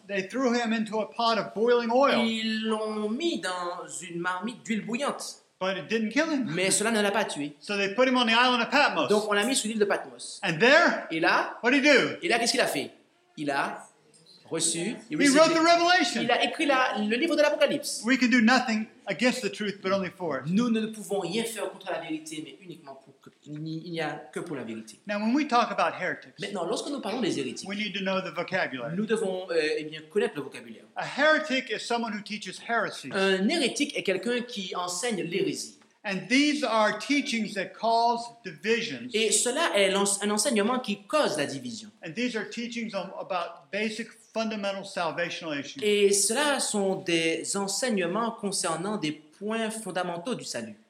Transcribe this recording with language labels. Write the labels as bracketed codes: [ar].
[en] They threw him into a pot of boiling oil. [fr] Ils l'ont mis dans une marmite d'huile bouillante. [en] But it didn't kill him. [fr] Mais cela ne l'a pas tué. [en] So they put him on the island of Patmos. [fr] Donc on l'a mis sur l'île de Patmos. [en] And there, [fr] et là, [en] what did he do? [fr] Et là, qu'est-ce qu'il a fait? Il a reçu. [en] He wrote the Revelation. [fr] Il a écrit le livre de l'Apocalypse. [en] We can do nothing against the truth, but only for it. [fr] Nous ne pouvons rien faire contre la vérité, mais uniquement il n'y a que pour la vérité. [en] Now, when we talk about heretics, [fr] maintenant, lorsque nous parlons des hérétiques, [en] we need to know the vocabulary. [fr] Nous devons connaître le vocabulaire. [en] A heretic is someone who teaches heresies. [fr] Un hérétique est quelqu'un qui enseigne l'hérésie. [en] And these are teachings that cause divisions. [fr] Et cela est un enseignement qui cause la division. [en] And these are teachings about basic fundamental salvational issues. [fr] Et cela sont des enseignements concernant des points fondamentaux du salut.